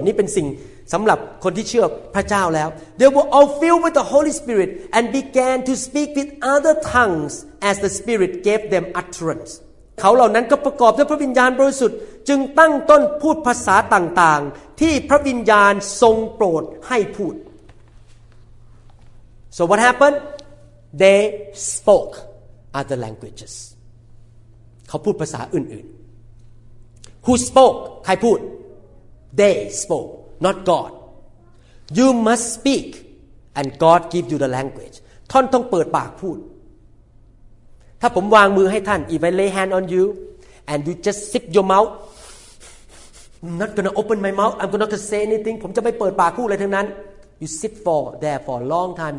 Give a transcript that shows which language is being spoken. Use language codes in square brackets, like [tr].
[th] นี่เป็นสิ่งสำหรับคนที่เชื่อพระเจ้าแล้ว [en] They were all filled with the Holy Spirit and began to speak with other tongues as the Spirit gave them utterance. [th] เขาเหล่านั้นก็ประกอบด้วยพระวิญญาณบริสุทธิ์จึงตั้งต้นพูดภาษาต่างๆที่พระวิญญาณทรงโปรดให้พูด [en] So what happened? They spoke other languages. [th] เขาพูดภาษาอื่นๆ [en] Who spoke? [th] ใครพูด? [en] They spokeNot God. You must speak, and God give you the language. [th] ท่านต้องเปิดปากพูดถ้าผมวางมือให้ท่าน [en] if I lay hand on you, and you just zip your mouth, I'm not gonna open my mouth. I'm not gonna say anything. [th] ผมจะไม่เปิดปากพูดอะไรทั้งนั้น [en] You sit for there for a long time.